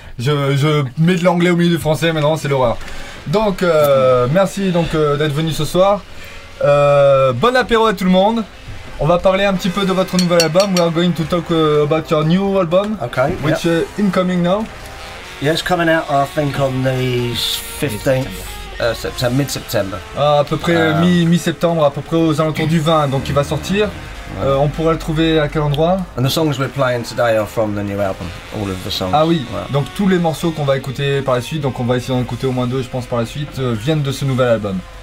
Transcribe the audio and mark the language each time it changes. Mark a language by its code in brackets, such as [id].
[fr] Je mets de l'anglais au milieu du français, mais non, c'est l'horreur. Donc, merci donc, d'être venu ce soir. Bon apéro à tout le monde. On va parler un petit peu de votre nouvel album. [en] We are going to talk about your new album, okay, which is incoming now. Yeah, it's coming out, I think, on the 15th. September, mid-September. [fr] À peu près mi-septembre, à peu près aux alentours du 20, donc il va sortir. Ouais. On pourra le trouver à quel endroit? [en] And the songs we're playing today are from the new album, all of the songs. [fr] Ah oui, ouais. Donc tous les morceaux qu'on va écouter par la suite, donc on va essayer d'en écouter au moins deux, je pense, par la suite, viennent de ce nouvel album.